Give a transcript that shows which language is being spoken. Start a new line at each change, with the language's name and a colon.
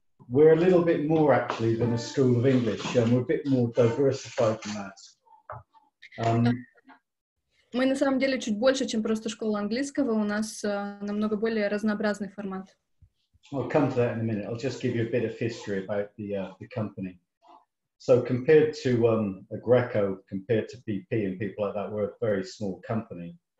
English: We're a little bit more, actually, than a school of English. We're a bit more diversified than that.
Russian: Мы на самом деле чуть больше, чем просто школа английского. У нас намного более разнообразный формат.
English: I'll come to that in a minute. I'll just give you a bit of history about the company. So compared to Aggreko, compared to BP and people like that, we're a very small company.